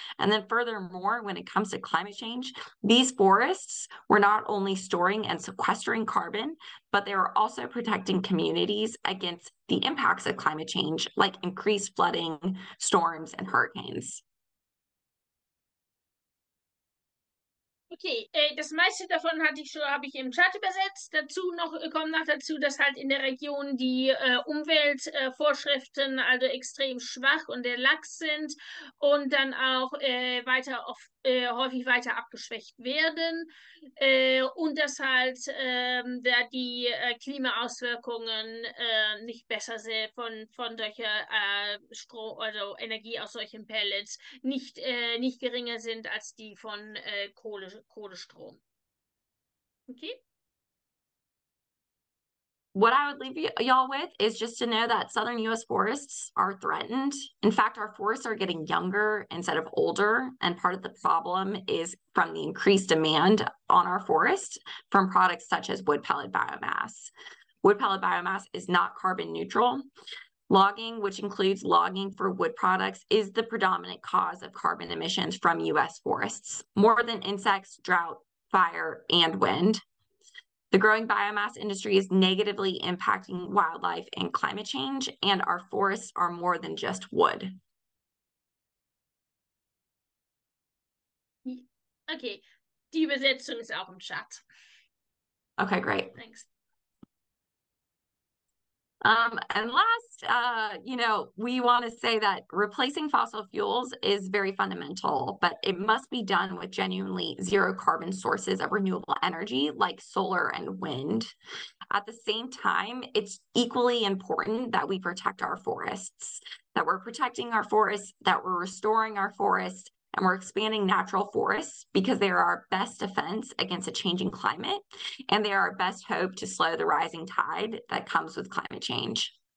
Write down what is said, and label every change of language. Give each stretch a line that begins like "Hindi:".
English: And then furthermore, when it comes to climate change, these forests were not only storing and sequestering carbon, but they were also protecting communities against the impacts of climate change, like increased flooding, storms, and hurricanes.
German: Okay, das meiste davon habe ich im Chat übersetzt. Dazu noch kommt noch dazu, dass halt in der Region die Umweltvorschriften also extrem schwach und der lax sind und dann auch weiter oft häufig weiter abgeschwächt werden und dass halt da die Klimaauswirkungen nicht besser sind von solcher Strom, also Energie aus solchen Pellets nicht geringer sind als die von Kohlestrom.
English: Okay. What I would leave y'all with is just to know that southern U.S. forests are threatened. In fact, our forests are getting younger instead of older, and part of the problem is from the increased demand on our forest from products such as wood pellet biomass. Wood pellet biomass is not carbon neutral. Logging, which includes logging for wood products, is the predominant cause of carbon emissions from U.S. forests. More than insects, drought, fire, and wind. The growing biomass industry is negatively impacting wildlife and climate change, and our forests are more than just wood.
German: Okay, die Übersetzung ist auch im Chat.
English: Okay, great. Thanks. And last, you know, we want to say that replacing fossil fuels is very fundamental, but it must be done with genuinely zero carbon sources of renewable energy like solar and wind. At the same time, it's equally important that we protect our forests, that we're protecting our forests, that we're restoring our forests, and we're expanding natural forests because they are our best defense against a changing climate, and they are our best hope to slow the rising tide that comes with climate change.